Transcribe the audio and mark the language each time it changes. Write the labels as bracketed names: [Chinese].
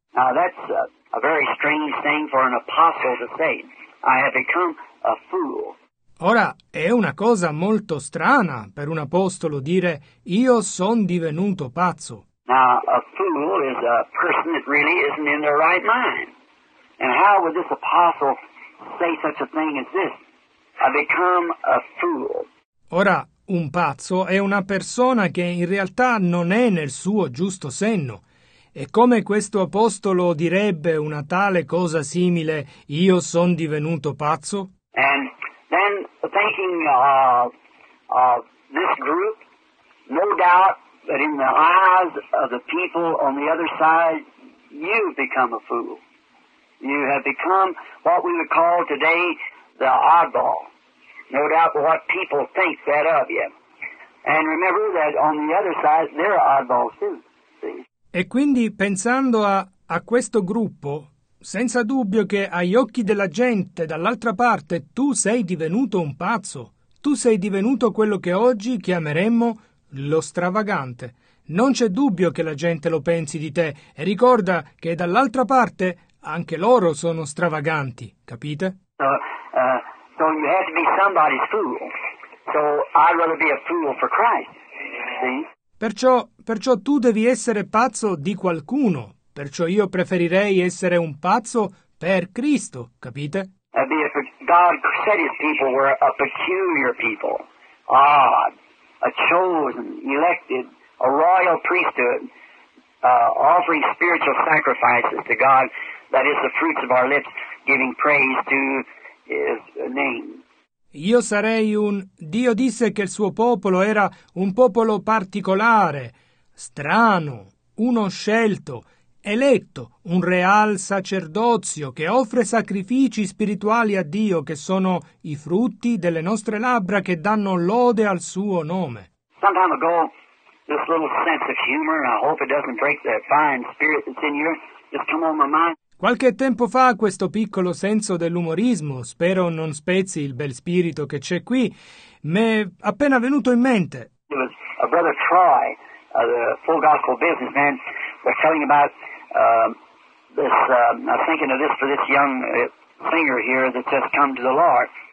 [English] Now that's a very strange thing for an apostle to say. I have become a fool. [Italian] Ora, è una cosa molto strana per un apostolo dire io son divenuto pazzo. [English] Now, a fool is a person that really isn't in their right mind. And how would this apostle say such a thing as this? I become a fool. [Italian] Ora, un pazzo è una persona che in realtà non è nel suo giusto senno. E come questo apostolo direbbe una tale cosa simile, io son divenuto pazzo? [English] And then thinking of this group, no doubt that in the eyes of the people on the other side, you become a fool. You have become what we would call today the oddball. No doubt what people think that of you. And remember that on the other side, they're oddballs too. [Italian] E quindi pensando a questo gruppo, senza dubbio che agli occhi della gente dall'altra parte tu sei divenuto un pazzo. Tu sei divenuto quello che oggi chiameremmo lo stravagante. Non c'è dubbio che la gente lo pensi di te. E ricorda che dall'altra parte anche loro sono stravaganti, capite? [English] So you have to be somebody's fool. So I'd rather be a fool for Christ. See? [Italian] Perciò tu devi essere pazzo di qualcuno. Perciò io preferirei essere un pazzo per Cristo, capite? [English] God said his people were a peculiar people. Odd, a chosen, elected, a royal priesthood, offering spiritual sacrifices to God. That is the fruits of our lips giving praise to his name. [Italian] Io sarei un... Dio disse che il suo popolo era un popolo particolare, strano, uno scelto, eletto, un real sacerdozio che offre sacrifici spirituali a Dio che sono i frutti delle nostre labbra che danno lode al suo nome. [English] Some time ago, this little sense of humor, and I hope it doesn't break the fine spirit that's in you, just come on my mind. [Italian] Qualche tempo fa questo piccolo senso dell'umorismo, spero non spezzi il bel spirito che c'è qui, mi è appena venuto in mente. [English] There was a brother Troy, the full gospel businessman, was telling about I'm thinking of this for this young singer here that just come to the Lord.